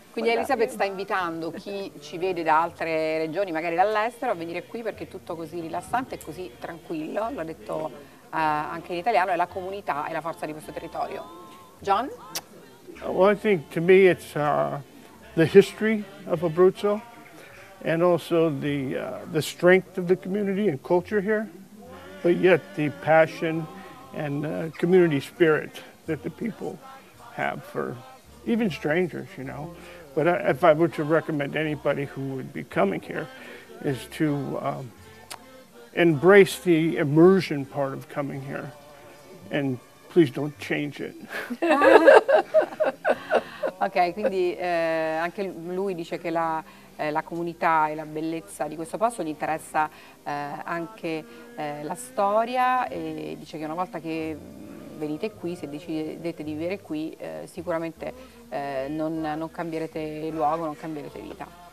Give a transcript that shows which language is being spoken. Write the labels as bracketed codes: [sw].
[it] Quindi Elisabeth sta invitando chi ci vede da altre regioni, magari dall'estero, a venire qui perché è tutto così rilassante e così tranquillo, l'ha detto anche in italiano, è la comunità e la forza di questo territorio. [en] John? Well, I think to me it's the history of Abruzzo and also the strength of the community and culture here, but yet the passion and community spirit that the people have for even strangers, you know. But if I were to recommend anybody who would be coming here is to embrace the immersion part of coming here, and please don't change it. [it] Ok, quindi anche lui dice che la comunità e la bellezza di questo posto gli interessa anche la storia, e dice che una volta che venite qui, se decidete di vivere qui, sicuramente non cambierete luogo, non cambierete vita.